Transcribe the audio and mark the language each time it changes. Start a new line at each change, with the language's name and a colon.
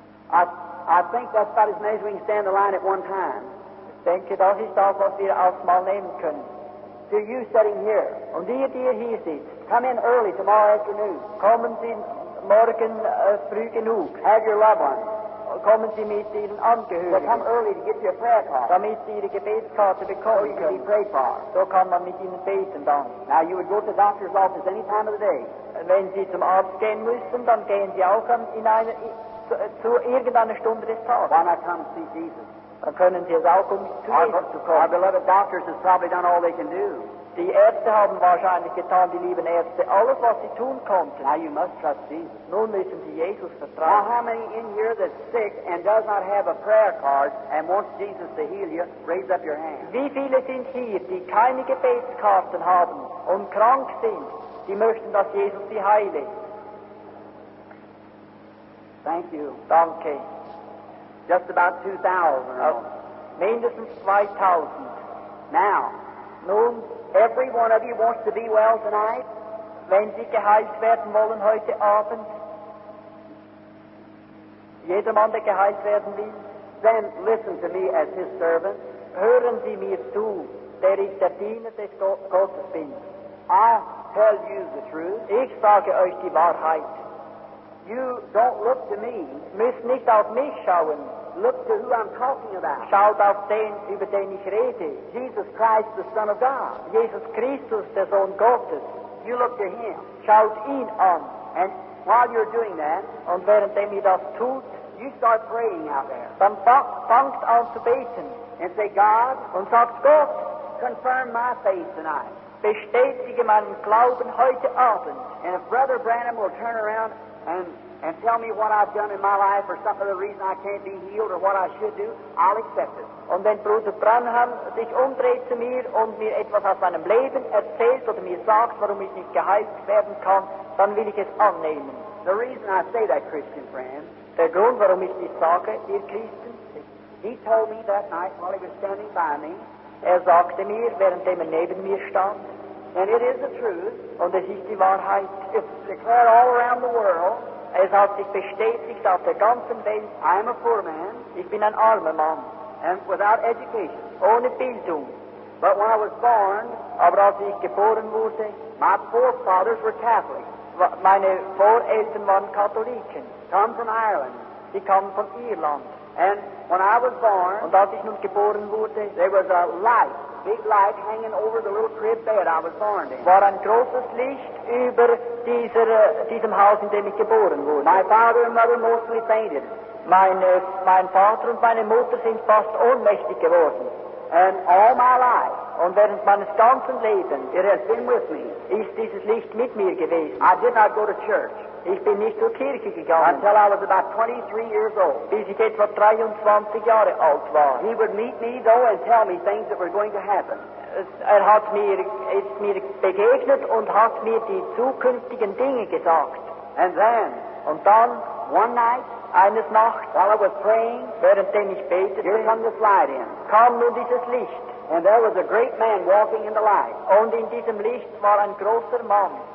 English: I think that's about as many as we can stand the line at one time.
German: Denke, das ist das, was wir ausmal nehmen können.
English: To you sitting here.
German: Und die, die hier sind,
English: come in early tomorrow afternoon.
German: Kommen Sie morgen früh genug.
English: Have your loved ones.
German: Kommen Sie mit Ihren Angehörigen.
English: So come early to get your prayer card.
German: Damit Sie Ihre Gebetskarte bekommen können.
English: Be prayed for.
German: So kann man mit Ihnen beten dann.
English: Now you would go to the doctor's office any time of the day.
German: Wenn Sie zum Arzt gehen müssen, dann gehen Sie auch zu irgendeiner Stunde des Tages.
English: Why not come see Jesus?
German: Dann können Sie es auch zu Jesus zu kommen.
English: Our beloved doctors have probably done all they can do.
German: Die Ärzte haben wahrscheinlich getan, die lieben Ärzte, alles, was sie tun konnten.
English: Now you must trust Jesus.
German: Nun müssen Sie Jesus vertrauen.
English: Now how many in here that's sick and does not have a prayer card and wants Jesus to heal you, raise up your hand.
German: Wie viele sind hier, die keine Gebetskarten haben und krank sind, die möchten, dass Jesus sie heile?
English: Thank you.
German: Danke.
English: Just about 2,000.
German: Mindestens 2,000.
English: Now,
German: nun,
English: every one of you wants to be well tonight.
German: Wenn Sie geheilt werden wollen heute Abend, jedermann, der geheilt werden will,
English: then listen to me as his servant.
German: Hören Sie mir zu, der ich der Diener des Gottes bin.
English: I tell you the truth.
German: Ich sage euch die Wahrheit.
English: You don't look to me.
German: Müsst nicht auf mich schauen.
English: Look to who I'm talking about.
German: Schaut auf den, über den ich rede.
English: Jesus Christ, the Son of God.
German: Jesus Christus, der Sohn Gottes.
English: You look to him.
German: Schaut ihn an.
English: And while you're doing that,
German: und währenddem ihr das tut,
English: you start praying out there.
German: Dann fangt an zu beten.
English: And say, God,
German: und sagt Gott,
English: confirm my faith tonight.
German: Bestätige meinen Glauben heute Abend.
English: And if Brother Branham will turn around and tell me what I've done in my life or some other reason I can't be healed or what I should do, I'll accept it.
German: Und wenn Bruder Branham sich umdreht zu mir und mir etwas aus meinem Leben erzählt oder mir sagt, warum ich nicht geheilt werden kann, dann will ich es annehmen.
English: The reason I say that, Christian friend,
German: der Grund, warum ich dies sage, ihr Christen,
English: he told me that night while he was standing by me,
German: er sagte mir, während er neben mir stand,
English: and it is the truth,
German: und es ist die Wahrheit,
English: it's declared all around the world,
German: es hat sich bestätigt auf der ganzen Welt,
English: I am a poor man,
German: ich bin ein armer Mann,
English: and without education,
German: ohne Bildung,
English: but when I was born,
German: aber als ich geboren wurde,
English: my forefathers were Catholic,
German: meine Voreltern waren Katholiken,
English: come from Ireland,
German: sie kommen von Irland,
English: and when I was born,
German: und als ich nun geboren wurde,
English: there was a light, big light hanging over the little crib bed I was born in.
German: War ein großes Licht über diesem Haus, in dem ich geboren wurde.
English: My father and mother mostly fainted.
German: Mein Vater und meine Mutter sind fast ohnmächtig geworden.
English: And all my life,
German: und während meines ganzen Lebens,
English: it has been with me.
German: Ist dieses Licht mit mir gewesen.
English: I did not go to church.
German: Ich bin nicht zur Kirche gegangen.
English: Until I was about 23 years old.
German: Bis ich etwa 23 Jahre alt war.
English: He would meet me though and tell me things that were going to happen.
German: Er hat mir, ist mir begegnet und hat mir die zukünftigen Dinge gesagt.
English: And then,
German: und dann,
English: one night,
German: eines Nachts,
English: while I was praying,
German: währenddem ich betete,
English: here comes this light in.
German: Kam nun dieses Licht.
English: And there was a great man walking in the light.
German: Und in diesem Licht war ein großer Mann.